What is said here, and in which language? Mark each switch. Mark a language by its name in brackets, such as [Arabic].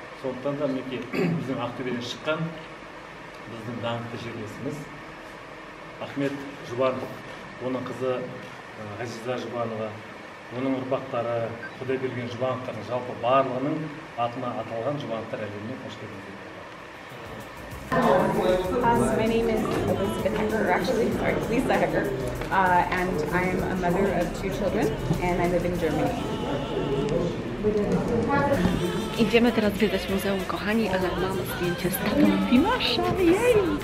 [Kazakh] Сондықтан да мінекей біздің Ақтөбеден шыққан біздің даңқты жерлесіміз Ахмет Жұбанов, оның қызы Ғазиза Жұбанова, оның ұрпақтары, Құдай берген Жұбановтар, жалпы барлығының атына аталған Жұбановтар әлеміне қош келдіңіздер. [English] My name is Elizabeth Hecker, actually, sorry, Lisa Hecker, and I am a mother of two children, and I live in Germany. [Polish] Idziemy teraz zwiedzać muzeum, kochani, ale mam zdjęcie z tatą Fimasza, jej!